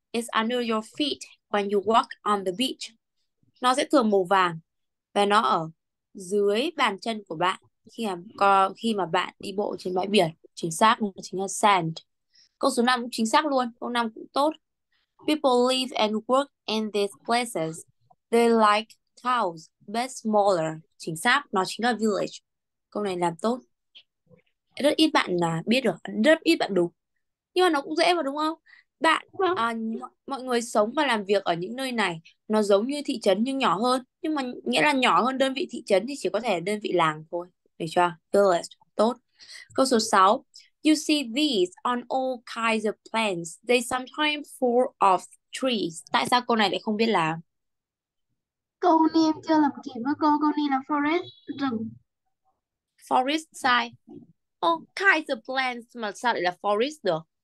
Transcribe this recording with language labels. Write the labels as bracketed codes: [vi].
[en] It's under your feet when you walk on the beach. [vi] Nó sẽ thường màu vàng và nó ở dưới bàn chân của bạn khi mà bạn đi bộ trên bãi biển. Chính xác, chính là sand. Câu số 5 cũng chính xác luôn. Câu 5 cũng tốt. [en] People live and work in these places. They like cows, but smaller. [vi] Chính xác, nó chính là village. Câu này làm tốt. Rất ít bạn biết được, rất ít bạn đúng. Nhưng mà nó cũng dễ mà đúng không? Bạn, mọi người sống và làm việc ở những nơi này, nó giống như thị trấn nhưng nhỏ hơn. Nhưng mà nghĩa là nhỏ hơn đơn vị thị trấn thì chỉ có thể là đơn vị làng thôi. Để cho village, tốt. Câu số 6. [en] You see these on all kinds of plants. They sometimes fall off trees. [vi] Tại sao cô này lại không biết là? Cô ni em chưa làm kịp với cô ni là forest. Forest sai. [en] All kinds of plants [vi] mà sao lại là forest được?